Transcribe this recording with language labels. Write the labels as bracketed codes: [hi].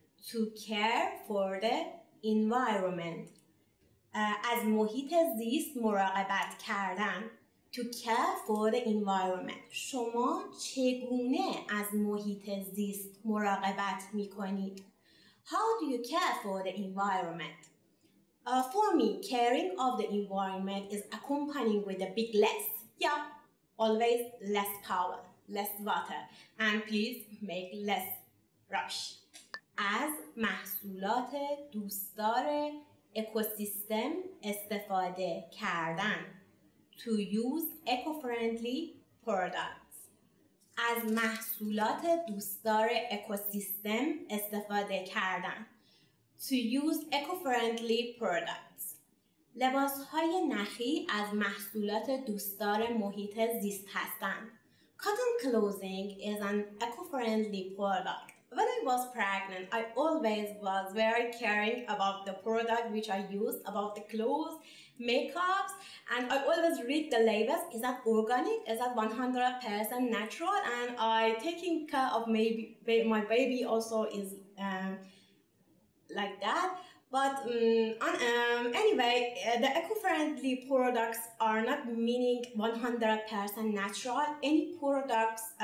[en] To care for the environment. [fa] از محیط زیست مراقبت کردن. [en] To care for the environment. [fa] شما چگونه از محیط زیست مراقبت می کنید؟ [en] How do you care for the environment? For me, caring of the environment is accompanying with a big less. Yeah, always less power, less water. And please make less rush. [fa] از محصولات دوستدار اکوسیستم استفاده کردن. [en] To use eco-friendly products. [fa] از محصولات دوستدار اکوسیستم استفاده کردن. [en] To use eco-friendly products. [fa] لباس‌های نخی از محصولات دوستدار محیط زیست هستند. [en] Cotton clothing is an eco-friendly product. When I was pregnant, I always was very caring about the product which I used, about the clothes, makeups, and I always read the labels. Is that organic? Is that 100% natural? And I taking care of maybe my baby also is like that, but anyway, the eco-friendly products are not meaning 100% natural. Any products